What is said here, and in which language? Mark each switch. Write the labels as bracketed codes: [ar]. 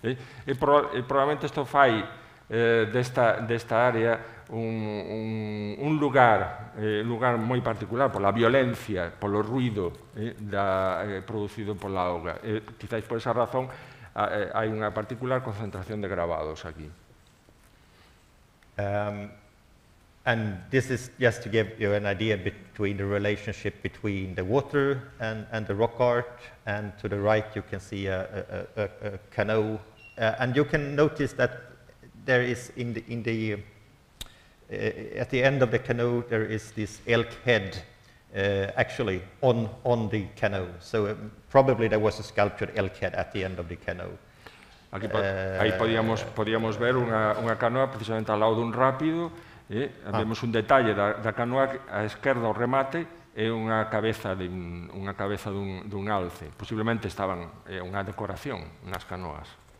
[gl] Probablemente isto fai desta área un lugar lugar moi particular pola violencia, polo ruido producido pola auga. Quizáis por esa razón hai unha particular concentración de gravados aquí. [en] And this is just to give you an idea between the relationship between the water and the rock art, and to the right you can see a canoe, and you can notice that there is at the end of the canoe there is this elk head actually on the canoe. So probably there was a sculptured elk head at the end of the canoe. [es] Aquí ahí podíamos ver una canoa precisamente al lado de un rápido. [gl] Vemos un detalle da canoa a esquerda o remate é unha cabeza dun alce. Posiblemente estaban unha decoración nas canoas.